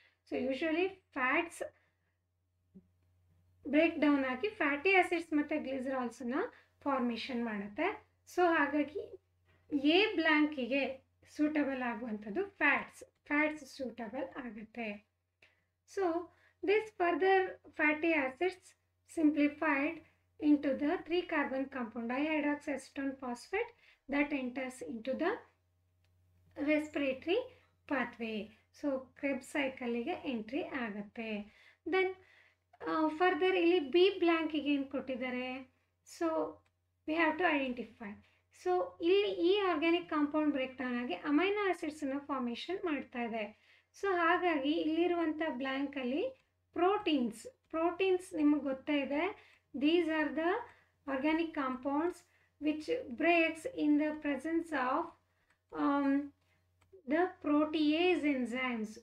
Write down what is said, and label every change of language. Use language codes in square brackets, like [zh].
[kn] So usually fats break down ಆಗಿ fatty acids ಮತ್ತು ಗ್ಲಿಸರಾಲ್ಸನ್ನ formation ಮಾಡುತ್ತೆ. ಸೊ ಹಾಗಾಗಿ ಎ ಬ್ಲ್ಯಾಂಕಿಗೆ ಸೂಟಬಲ್ ಆಗುವಂಥದ್ದು ಫ್ಯಾಟ್ಸ್ ಸೂಟಬಲ್ ಆಗುತ್ತೆ. [en] so this further fatty acids simplified into the three carbon compound dihydroxyacetone phosphate that enters into the respiratory [kn] pathway. So ಕ್ರೆಬ್ಸ್ ಸೈಕಲ್ಲಿಗೆ entry ಆಗುತ್ತೆ. Then further ಇಲ್ಲಿ B ಬ್ಲ್ಯಾಂಕಿಗೆ ಏನು ಕೊಟ್ಟಿದ್ದಾರೆ, [en] So we have to identify. [kn] So ಇಲ್ಲಿ ಈ organic compound break down ಆಗಿ amino ಆಸಿಡ್ಸನ್ನು formation ಮಾಡ್ತಾ ಇದೆ. [en] so [kn] ಹಾಗಾಗಿ ಇಲ್ಲಿರುವಂಥ ಬ್ಲ್ಯಾಂಕಲ್ಲಿ ಪ್ರೋಟೀನ್ಸ್ ನಿಮಗೆ ಗೊತ್ತೇ ಇದೆ, [en] These are the organic compounds which breaks in the presence of the protease enzymes.